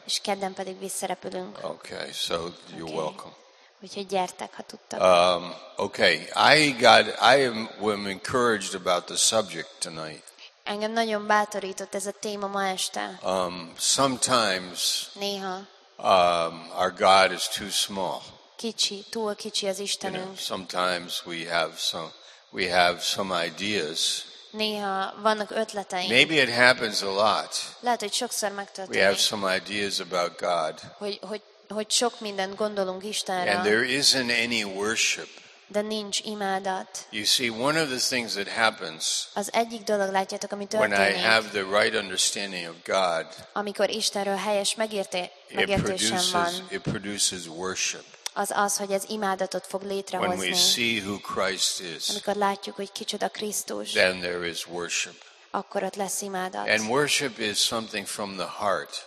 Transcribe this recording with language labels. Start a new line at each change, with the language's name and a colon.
Hungarian: És kedden pedig visszarepülünk.
English: Okay, so you're okay. Welcome.
Hungarian: Úgyhogy gyertek, ha tudtak.
English: Okay, I am encouraged about the subject tonight.
Hungarian: Engem nagyon bátorított ez a téma ma este.
English: Sometimes.
Hungarian: Néha.
English: Our God is too small.
Hungarian: Kicsi, túl kicsi az Istenünk.
English: You know, sometimes we have some ideas.
Hungarian: Néha vannak ötleteink.
English: Maybe it happens a lot.
Hungarian: Lehet, hogy sokszor megtörténik.
English: We have some ideas about God.
Hungarian: Hogy sok mindent gondolunk Istenre.
English: And there isn't any worship.
Hungarian: De nincs imádat.
English: You see, one of the things that happens.
Hungarian: Az egyik dolog, látjátok, ami történik.
English: When I have the right understanding of God.
Hungarian: Amikor Istenről helyes megértésem van.
English: It produces worship.
Hungarian: Az, hogy ez imádatot fog létrehozni.
English: When we see who Christ is.
Hungarian: Amikor látjuk, hogy kicsoda Krisztus.
English: Then there is worship.
Hungarian: Akkor ott lesz imádat.
English: And worship is something from the heart.